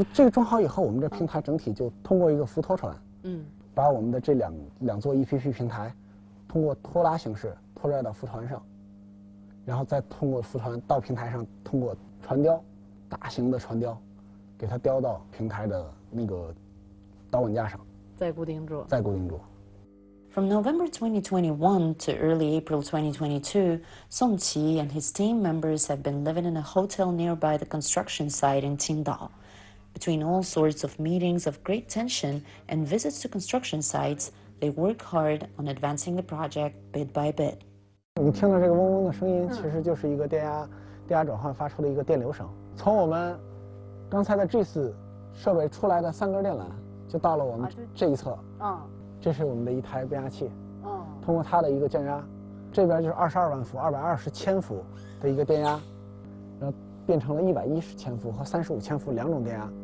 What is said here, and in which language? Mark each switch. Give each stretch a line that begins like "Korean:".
Chinese: 这个装好以后，我们这平台整体就通过一个浮拖船，把我们的这两座 EPP 平台通过拖拉形式拖拽到浮船上，然后再通过浮船到平台上，通过船雕，大型的船雕，给它雕到平台的那个导稳架上，再固定住。
English: From November 2021 to early April 2022, Song Qi and his team members have been living in a hotel nearby the construction site in Qingdao. Between all sorts of meetings of great tension and visits to construction sites. They work hard on advancing the project bit by bit.
Chinese: 你听到这个嗡嗡的声音，其实就是一个电压转换发出的一个电流声。从我们刚才的 GIS 设备出来的3根电缆，就到了我们这一侧。这是我们的一台变压器。通过它的一个降压，这边就是22万伏、220千伏的一个电压，然后变成了110千伏和35千伏两种电压。